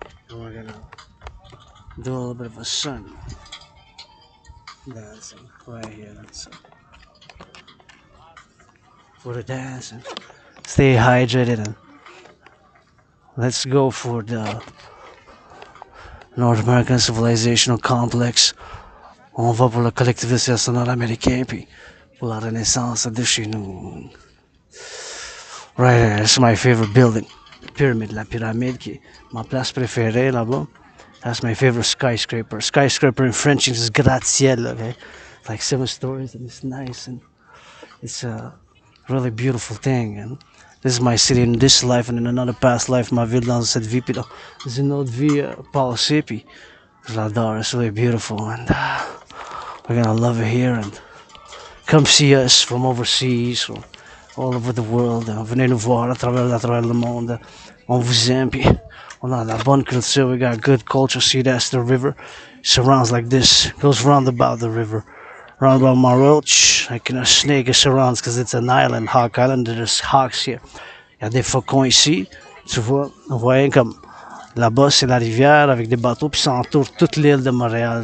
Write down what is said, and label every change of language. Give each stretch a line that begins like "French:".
English: And we're gonna do a little bit of a sun dancing right here. That's for the dance and stay hydrated. And let's go for the North American civilizational complex.
French: On va pour le collectivisme nord-américain puis pour la renaissance de chez nous.
English: Right, that's my favorite building, pyramid,
French: la pyramide, qui ma place préférée là-bas.
English: That's my favorite skyscraper. Skyscraper in French is gratte-ciel, okay? Like 7 stories, and it's nice, and it's a really beautiful thing. And this is my city in this life, and in another past life,
French: ma ville dans cette vie, puis là, c'est une autre vie, passée, puis j'adore,
English: it's really beautiful, and we're gonna love it here, and come see us from overseas, or all over the world.
French: Venez nous voir à travers le monde. On vous aime, puis on a la bonne culture.
English: We got good culture. See, that's the river. It surrounds like this. Goes round about the river. Round about my roach. Like in a snake, it surrounds because it's an island, Hawk Island. There's hawks here.
French: Il y a des faucons ici. Tu vois, on voit comme là-bas, c'est la rivière avec des bateaux, puis ça entoure toute l'île de Montréal.